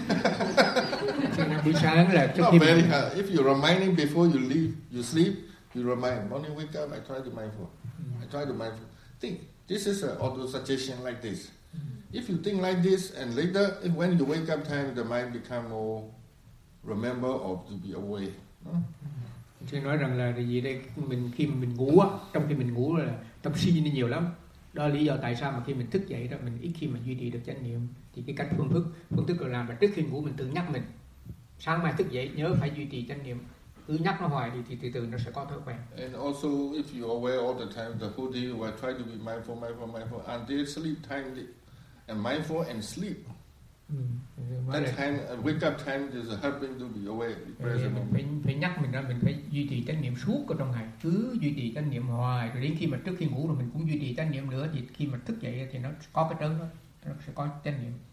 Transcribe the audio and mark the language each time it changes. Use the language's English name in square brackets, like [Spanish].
[English] Not very hard. If you're reminding before you leave, you sleep, you remind. Morning wake up, I try to mindful. Mm. I try to mindful. Think, this is an auto suggestion like this. If you think like this, and later, if when you wake up time, the mind become more remember or to be away. [Vietnamese] Thì nói rằng là gì đây? Mình khi mà mình ngủ á, trong khi mình ngủ là tâm suy nghĩ nhiều lắm. Đó là lý do tại sao mà khi mình thức dậy đó, mình ít khi mà duy trì được chánh niệm. Thì cái cách phương thức là làm là trước khi ngủ mình tự nhắc mình. Sáng mai thức dậy nhớ phải duy trì chánh niệm. Cứ nhắc nó hoài thì từ từ nó sẽ có thói quen. [English] And also, if you aware all the time, the whole day you try to be mindful until sleep time. And mindful and sleep. Mm. That time, wake up time is helping to be aware, present. [Vietnamese] Phải nhắc mình ra, mình phải duy trì chánh niệm suốt cả trong ngày, cứ duy trì chánh niệm hoài. Rồi đến khi mà trước khi ngủ rồi mình cũng duy trì chánh niệm nữa. Thì khi mà thức dậy thì nó có cái trớn đó, nó sẽ có chánh niệm.